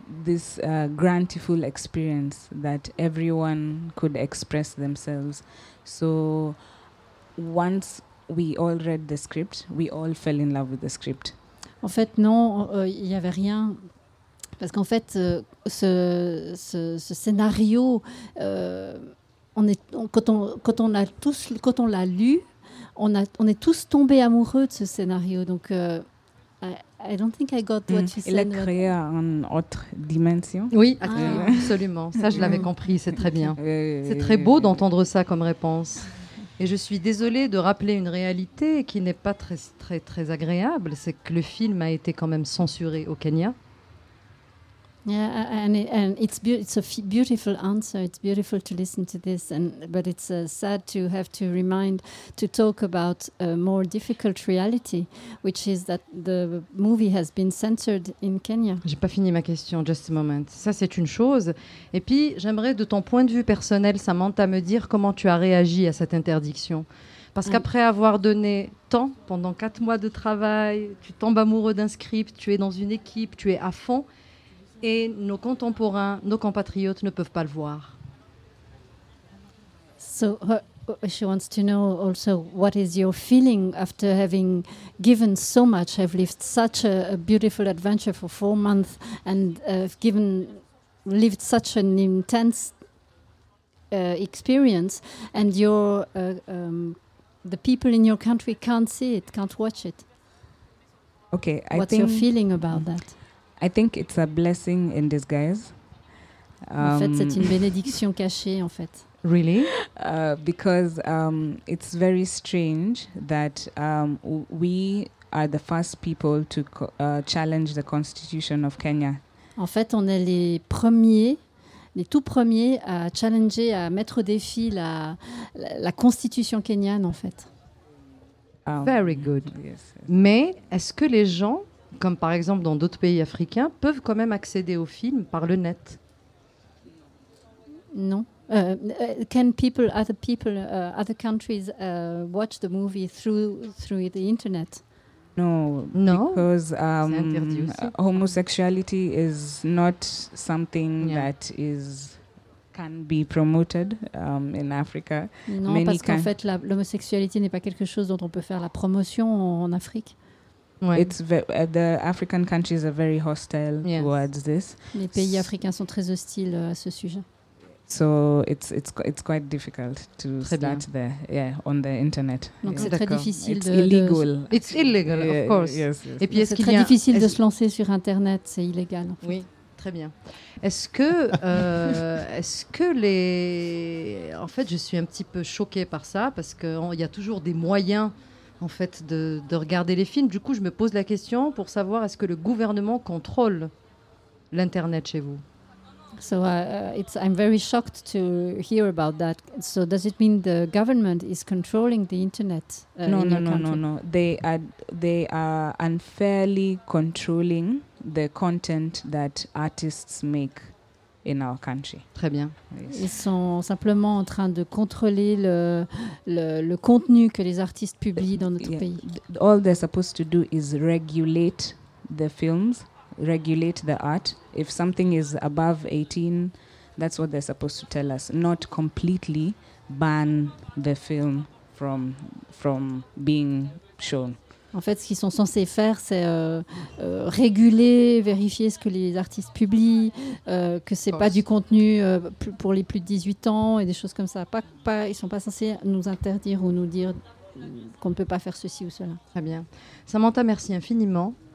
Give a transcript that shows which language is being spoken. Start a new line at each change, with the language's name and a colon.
English: This grantiful experience that everyone could express themselves. So once we all read the script, we all fell in love with the script.
French: En fait, non, il y avait rien. Parce qu'en fait, ce scénario, quand on l'a lu, on est tous tombés amoureux de ce scénario.
English: Donc, I don't think I got what you said.
French: Il a créé une autre dimension. Oui, absolument. Ça, je l'avais compris. C'est très bien. C'est très beau d'entendre ça comme réponse. Et je suis désolée de rappeler une réalité qui n'est pas très très très agréable. C'est que le film a été quand même censuré au Kenya.
English: Yeah, it's a beautiful answer. It's beautiful to listen to this, but it's sad to have to remind to talk about a more difficult reality, which is that the movie has been censored in Kenya.
French: J'ai pas fini ma question.
English: Just a moment.
French: Ça, c'est une chose. Et puis, j'aimerais, de ton point de vue personnel, Samantha, me dire comment tu as réagi à cette interdiction. Parce qu'après avoir donné tant pendant 4 mois de travail, tu tombes amoureux d'un script, tu es dans une équipe, tu es à fond. Et nos contemporains, nos compatriotes ne peuvent pas le voir.
English: So she wants to know also what is your feeling after having given so much, have lived such a beautiful adventure for 4 months and lived such an intense experience and the people in your country can't see it, can't watch it. Okay, what's your feeling about that? I think it's a blessing in disguise.
French: En fait, c'est une bénédiction cachée, en fait.
English: Really? Because it's very strange that we are the first people to challenge the constitution of Kenya.
French: En fait, on est les premiers, les tout premiers à challenger, à mettre au défi la constitution kenyane, en fait.
English: Very good. Yes.
French: Mais est-ce que les gens, comme par exemple dans d'autres pays africains, peuvent quand même accéder au film par le net? Non.
English: Can people, other people, other countries watch the movie through the internet? No, no, because homosexuality is not something that is can be promoted in Africa.
French: Non, many parce qu'en fait, l'homosexualité n'est pas quelque chose dont on peut faire la promotion en Afrique. Ouais.
English: It's the African countries are very hostile towards this.
French: Les pays africains sont très hostiles à ce sujet.
English: So it's quite difficult to start there, on the internet.
French: Donc c'est très difficile.
English: It's illegal. It's illegal, of course. Yes, yes.
French: Et puis est-ce qu'il y a difficile de se lancer sur internet, c'est illégal. En fait. Oui, très bien. Est-ce que les, en fait, je suis un petit peu choquée par ça parce qu'il y a toujours des moyens, en fait, de regarder les films. Du coup, je me pose la question pour savoir est-ce que le gouvernement contrôle l'internet chez vous?
English: So I'm very shocked to hear about that. So does it mean the government is controlling the internet? No. They are unfairly controlling the content that artists make in our country.
French: Très bien. Ils sont simplement en train de contrôler le contenu que les artistes publient dans notre pays.
English: All they're supposed to do is regulate the films. Regulate the art. If something is above 18, that's what they're supposed to tell us. Not completely ban the film from being shown.
French: En fait, ce qu'ils sont censés faire, c'est réguler, vérifier ce que les artistes publient, que c'est pas du contenu pour les plus de 18 ans et des choses comme ça. Pas, ils sont pas censés nous interdire ou nous dire qu'on ne peut pas faire ceci ou cela. Très bien. Samantha, merci infiniment.